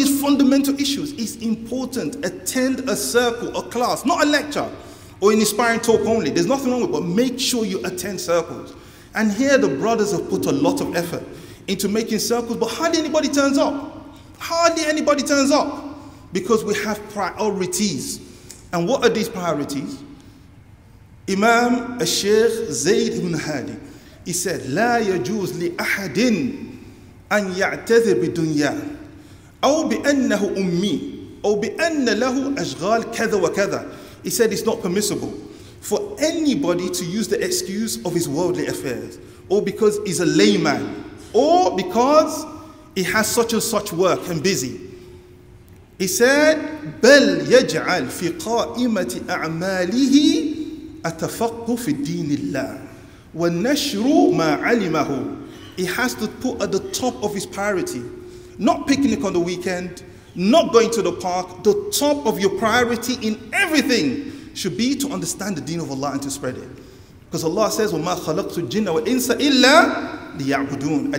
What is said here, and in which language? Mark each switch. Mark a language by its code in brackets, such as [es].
[en] These fundamental issues is important. Attend a circle, a class, not a lecture or an inspiring talk only. There's nothing wrong with it, but make sure you attend circles. And here the brothers have put a lot of effort into making circles, but hardly anybody turns up. Hardly anybody turns up because we have priorities. And what are these priorities? [ar] Imam al-Sheikh Zayd ibn Hadi, [en] he said, [ar] لا يجوز لأحد أن يعتذر بدنيا أو بأنه أمي أو بأن له أشغال كذا وكذا. [en] He said it's not permissible for anybody to use the excuse of his worldly affairs, or because he's a layman, or because he has such and such work and busy. He said, [ar] بل يجعل في قائمة أعماله التفقه في دين الله ونشر ما علمه. [en] He has to put at the top of his priority, not picnic on the weekend, not going to the park. The top of your priority in everything should be to understand the deen of Allah and to spread it. Because Allah says, [ar] وَمَا خَلَقْتُ الْجِنَّ وَالْإِنسَ إِلَّا لِيَعْبُدُونَ.